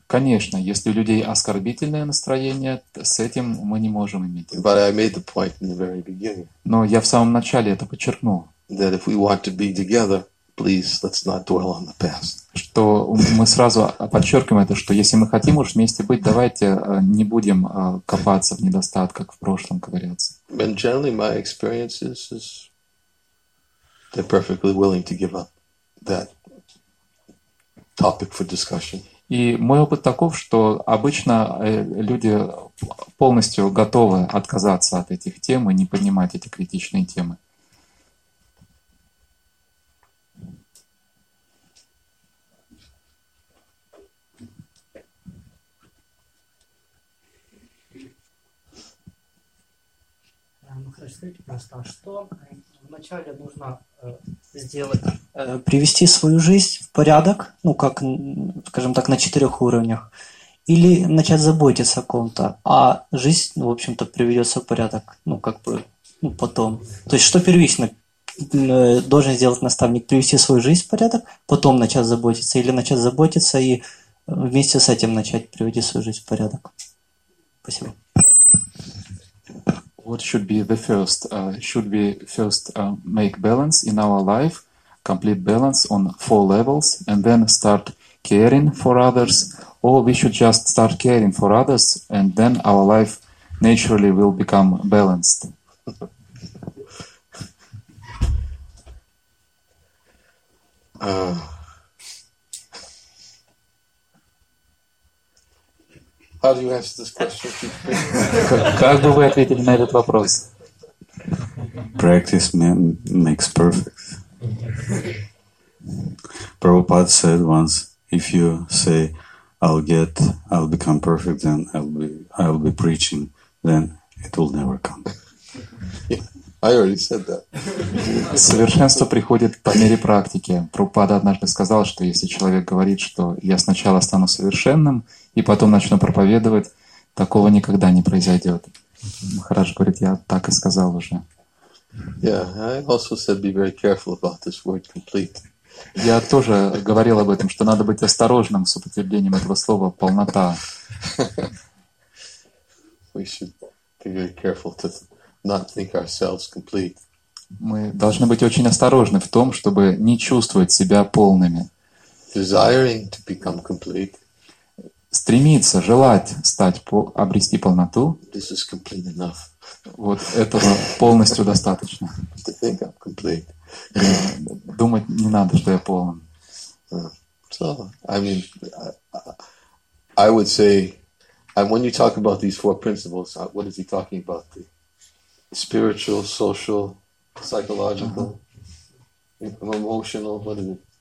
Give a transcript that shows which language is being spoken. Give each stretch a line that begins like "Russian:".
Russian: Конечно, если у людей оскорбительное настроение, с этим мы не можем иметь.
English: But I made the point in the very beginning.
Russian: Но я в самом начале это подчеркнул.
English: That if we want to be together, please, let's not dwell on the past.
Russian: Что мы сразу подчеркиваем это, что если мы хотим уж вместе быть, давайте не будем копаться в недостатках в прошлом, говорится.
English: And generally my experience is they're perfectly willing to give up that topic for discussion.
Russian: И мой опыт таков, что обычно люди полностью готовы отказаться от этих тем и не поднимать эти критичные темы. Скажите, пожалуйста, что вначале нужно сделать? Привести свою жизнь в порядок, ну, как, скажем так, на четырех уровнях, или начать заботиться о ком-то, а жизнь, ну, в общем-то, приведется в порядок, ну, как бы, ну, потом. То есть, что первично должен сделать наставник? Привести свою жизнь в порядок, потом начать заботиться, или начать заботиться и вместе с этим начать привести свою жизнь в порядок? Спасибо.
English: What should be the first? Should we first make balance in our life, complete balance on four levels, and then start caring for others? Or we should just start caring for others, and then our life naturally will become balanced? How do you answer this question?
Russian: Как бы вы ответили на этот вопрос?
English: Practice makes perfect. Prabhupada said once, if you say, I'll become perfect, then I'll be preaching, then it will never come. Yeah, I already said that.
Russian: Совершенство приходит по мере практики. Прабхупада однажды сказал, что если человек говорит, что я сначала стану совершенным, и потом начну проповедовать, такого никогда не произойдет. Махарадж говорит, я так и сказал уже.
English: Yeah, I also said be very careful about this word complete.
Russian: Я тоже говорил об этом, что надо быть осторожным с употреблением этого слова полнота.
English: We should be very careful to not think ourselves complete.
Russian: Мы должны быть очень осторожны в том, чтобы не чувствовать себя полными.
English: Desiring to become complete.
Russian: Стремиться, желать стать, обрести полноту.
English: This is complete enough.
Russian: Вот этого полностью достаточно.
English: To think I'm complete.
Russian: Думать не надо, что я полон.
English: So, I mean, I would say, and when you talk about these four principles, what is he talking about? The spiritual, social, psychological, emotional, what is it?